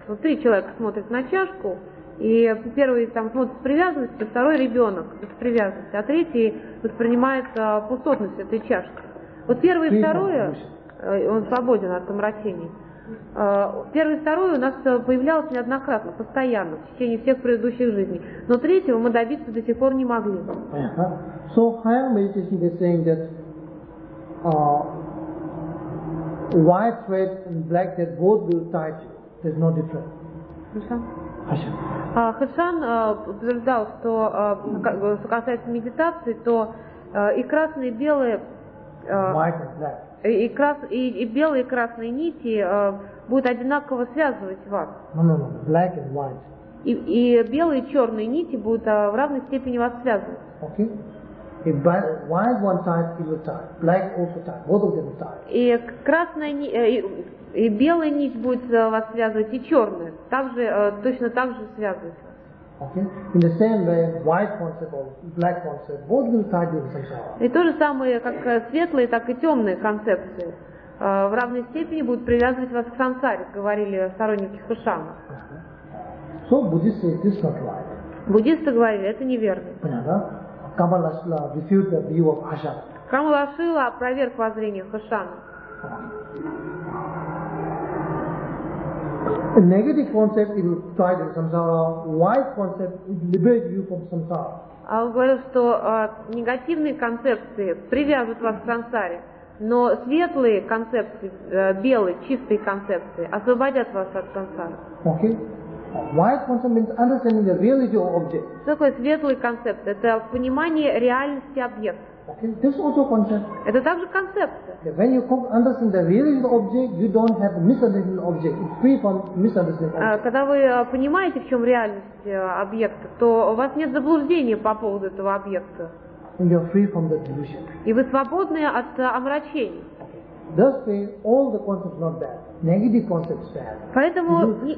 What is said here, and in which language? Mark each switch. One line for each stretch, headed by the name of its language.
Russian: Вот три человека смотрят на чашку, и первый там смотрит с привязанностью, второй ребенок с привязанностью, а третий воспринимает пустотность этой чашки. Вот первый и второе, он свободен от омрачений. Первый и второй у нас появлялся неоднократно, постоянно, в течение всех предыдущих жизней. Но третьего мы добиться до сих пор не могли.
English: So higher meditation is saying that white thread and black thread both will touch, there's no difference.
Russian: Хэшан утверждал, что что касается медитации, то и красные, и белые...
English: White and black.
Russian: И белые, и красные нити будут одинаково связывать вас.
English: No, black and white.
Russian: И белые, и черные нити будут в равной степени вас связывать.
English: Okay. If white one ties, it will tie. Black also ties. Both of them will tie.
Russian: И красная нить, и белая нить будет вас связывать, и черная также точно так же связывать.
English: Okay. In the same way, white concept or black concept, both will tie you in samsara.
Russian: И то же самое, как светлые, так и темные концепции в равной степени будут привязывать вас к сансаре, говорили сторонники Хэшана.
English: So Buddhists say this is not right.
Russian: Буддисты говорили, это неверно. Понятно?
English: Камаласила refute the view of Хэшан.
Russian: Камаласила опроверг воззрение Хэшана.
English: A negative concept it will tie you to samsara. White concept it will liberate you from samsara.
Russian: А он говорил, что негативные концепции привяжут вас к сансаре, но светлые концепции, белые, чистые концепции освободят вас от сансары.
English: Okay. White concept means understanding the reality of object.
Russian: Что такое светлый концепт? Это понимание реальности объекта.
English: Okay. This also concept.
Russian: Это также концепция.
English: Okay. When you understand the reality of object, you don't have misunderstanding object. It's free from misunderstanding object.
Russian: Когда вы понимаете, в чем реальность объекта, то у вас нет заблуждения по поводу этого объекта.
English: And you're free from the delusion.
Russian: И вы свободны от омрачений.
English: Thus, all the concepts are not bad. Negative concepts are bad.
Russian: Поэтому